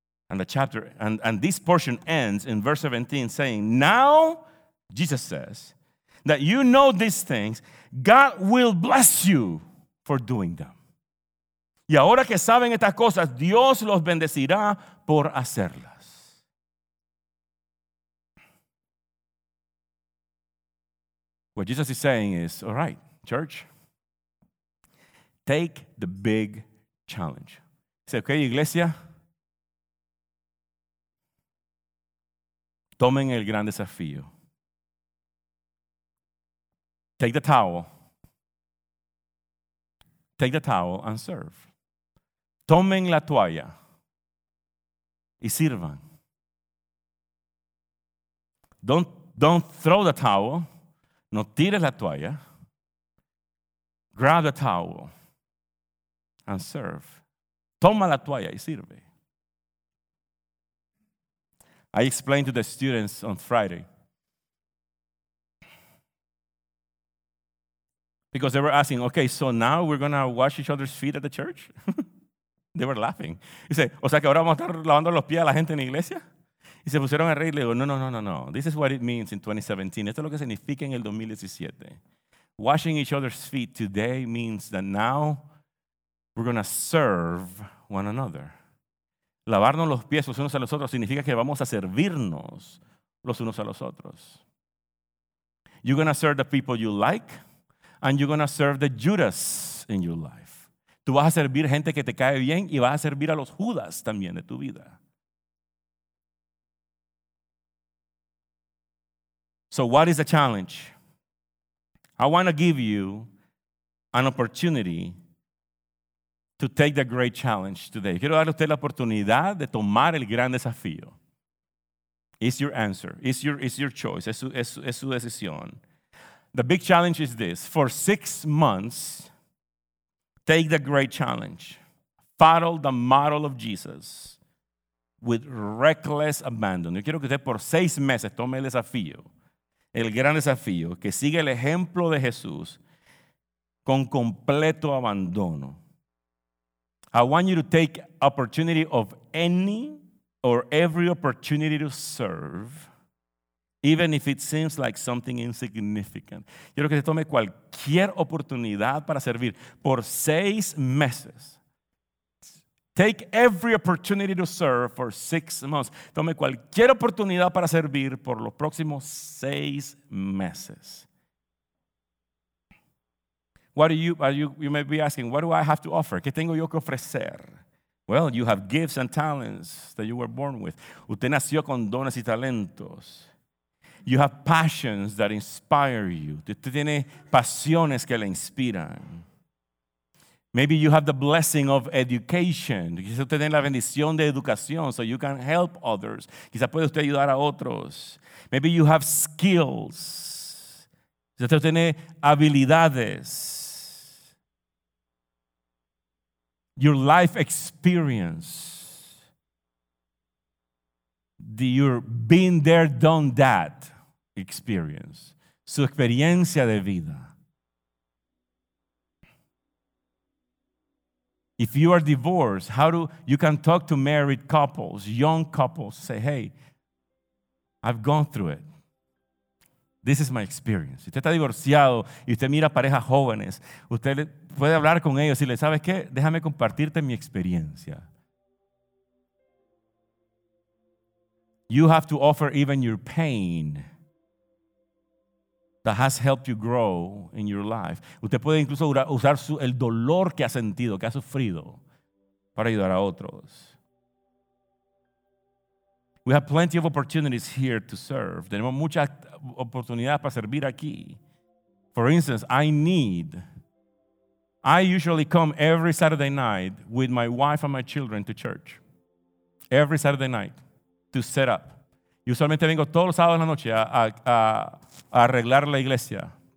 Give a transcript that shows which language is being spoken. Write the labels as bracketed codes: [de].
[en] And the chapter, and this portion ends in verse 17 saying, now, Jesus says, that you know these things, God will bless you for doing them. [es] Y ahora que saben estas cosas, Dios los bendecirá por hacerlas. [en] What Jesus is saying is, all right, church, take the big challenge. [es] Dice, ok, iglesia, tomen el gran desafío. [en] Take the towel. Take the towel and serve. [es] Tomen la toalla y sirvan. [en] Don't throw the towel. [es] No tires la toalla. [en] Grab the towel and serve. [es] Toma la toalla y sirve. [en] I explained to the students on Friday, because they were asking, okay, so now we're going to wash each other's feet at the church? They were laughing. He said, [es] o sea que ahora vamos a estar lavando los pies a la gente en la iglesia? Y se pusieron a reír. Le digo, no. [en] This is what it means in 2017. [es] Esto es lo que significa en el 2017. [en] Washing each other's feet today means that now we're going to serve one another. [es] Lavarnos los pies los unos a los otros significa que vamos a servirnos los unos a los otros. [en] You're going to serve the people you like, and you're going to serve the Judas in your life. [es] Tú vas a servir gente que te cae bien y vas a servir a los Judas también de tu vida. [en] So what is the challenge? I want to give you an opportunity to take the great challenge today. [es] Quiero darle a usted la oportunidad de tomar el gran desafío. [en] It's your answer. It's your choice. [es] Es su decisión. [en] The big challenge is this. For 6 months, take the great challenge. Follow the model of Jesus with reckless abandon. [es] Yo quiero que usted por 6 meses tome el desafío, el gran desafío, que siga el ejemplo de Jesús con completo abandono. [en] I want you to take opportunity of any or every opportunity to serve, even if it seems like something insignificant. [es] Quiero que se tome cualquier oportunidad para servir por 6 meses. [en] Take every opportunity to serve for 6 months. [es] Tome cualquier oportunidad para servir por los próximos 6 meses. [en] You may be asking, what do I have to offer? [es] ¿Qué tengo yo que ofrecer? [en] Well, you have gifts and talents that you were born with. [es] Usted nació con dones y talentos. [en] You have passions that inspire you. [es] Usted tiene pasiones que le inspiran. [en] Maybe you have the blessing of education. [es] Quizá usted tiene la bendición de educación, [en] so you can help others. [es] Quizá puede usted ayudar a otros. [en] Maybe you have skills. [es] Quizá usted tiene habilidades. [en] Your life experience. You're been there, done that. Experience, [es] su experiencia de vida. [en] If you are divorced, you can talk to married couples, young couples, say, hey, I've gone through it. This is my experience. [es] Si usted está divorciado y usted mira parejas jóvenes, usted puede hablar con ellos y le, ¿sabes qué? Déjame compartirte mi experiencia. [en] You have to offer even your pain that has helped you grow in your life. [es] Usted puede incluso usar el dolor que ha sentido, que ha sufrido, para ayudar a otros. [en] We have plenty of opportunities here to serve. [es] Tenemos muchas oportunidades para servir aquí. [en] For instance, I usually come every Saturday night with my wife and my children to church. Every Saturday night to set up. [es] Y usualmente vengo todos los sábados en la noche a arreglar la iglesia.